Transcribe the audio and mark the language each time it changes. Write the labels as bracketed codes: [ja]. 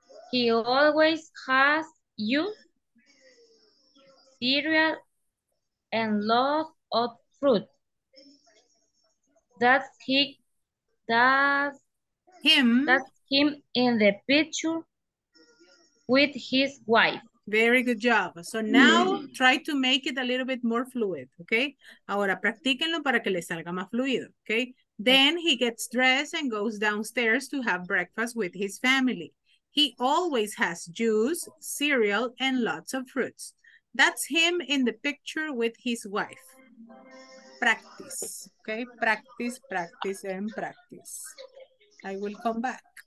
[en] He always has youth, cereal, and love of fruit. That's him in the picture with his wife. Very good job. So now try to make it a little bit more fluid, okay? [es] Ahora practíquenlo para que le salga más fluido, okay? [en] Then he gets dressed and goes downstairs to have breakfast with his family. He always has juice, cereal, and lots of fruits. That's him in the picture with his wife. Practice, okay? Practice, practice, and practice. I will come back.